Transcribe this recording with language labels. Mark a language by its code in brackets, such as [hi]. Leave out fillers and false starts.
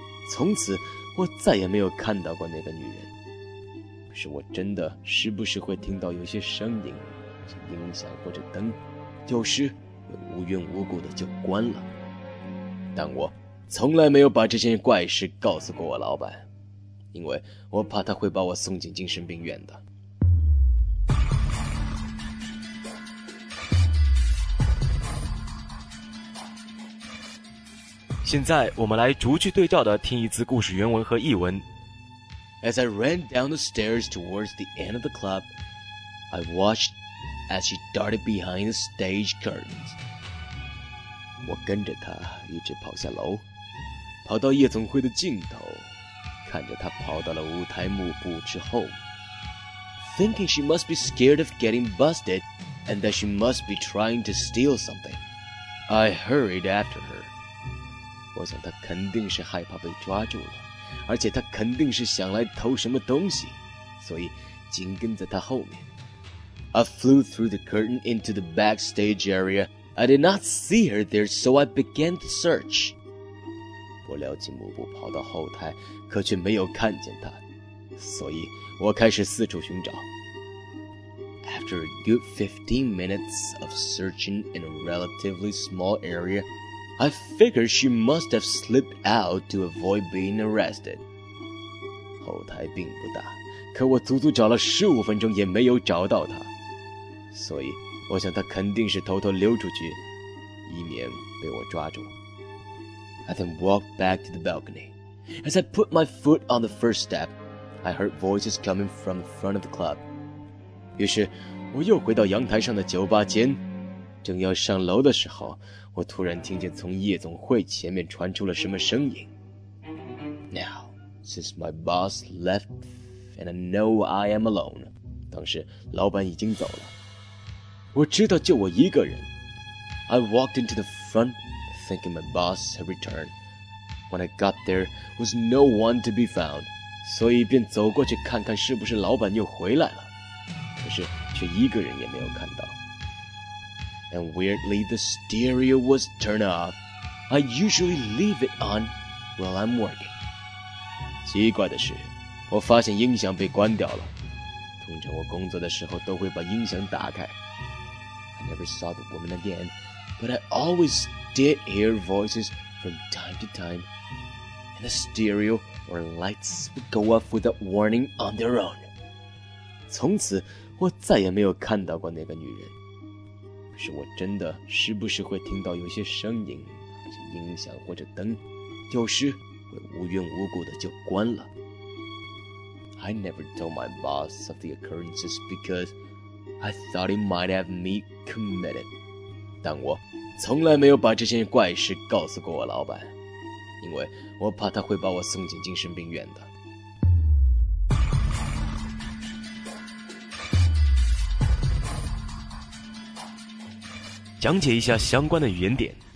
[zh] 从此我再也没有看到过那个女人，可是我真的时不时会听到有些声音，像音响或者灯，有时又无缘无故的就关了，但我从来没有把这件怪事告诉过我老板，因为我怕他会把我送进精神病院的。现在我们来逐句对照的听一次故事原文和译文。 [en] As I ran down the stairs towards the end of the club, I watched as she darted behind the stage curtains. [zh] 我跟着她一直跑下楼，跑到夜总会的尽头，看着她跑到了舞台幕布之后， [en] thinking she must be scared of getting busted and that she must be trying to steal something. I hurried after her. [zh] 我想他肯定是害怕被抓住了，而且他肯定是想来偷什么东西，所以紧跟在他后面。 [en] I flew through the curtain into the backstage area. I did not see her there, so I began the search. [zh] 我撩起幕布跑到后台，可却没有看见他，所以我开始四处寻找。 [en] After a good 15 minutes of searching in a relatively small area,I figured she must have slipped out to avoid being arrested. [zh] 后台并不大，可我足足找了15分钟也没有找到她，所以我想她肯定是偷偷溜出去，以免被我抓住。 [en] I then walked back to the balcony. As I put my foot on the first step, I heard voices coming from the front of the club. [zh] 于是我又回到阳台上的酒吧间，正要上楼的时候，我突然听见从夜总会前面传出了什么声音。 [en] Now, since my boss left and I know I am alone, [zh] 当时老板已经走了，我知道就我一个人。 [en] I walked into the front, thinking my boss had returned. When I got there, was no one to be found, [zh] 所以便走过去看看是不是老板又回来了。可是却一个人也没有看到。 [en] And weirdly, the stereo was turned off. I usually leave it on while I'm working. [zh] 奇怪的是，我发现音响被关掉了。通常我工作的时候都会把音响打开。 [en] I never saw the woman again, but I always did hear voices from time to time. And the stereo or lights would go off without warning on their own. [zh] 从此我再也没有看到过那个女人。可是我真的时不时会听到有些声音，像音响或者灯，有时会无缘无故的就关了。 [en] I never told my boss of the occurrences because I thought he might have me committed. [zh] 但我从来没有把这些怪事告诉过我老板，因为我怕他会把我送进精神病院的。讲解一下相关的语言点。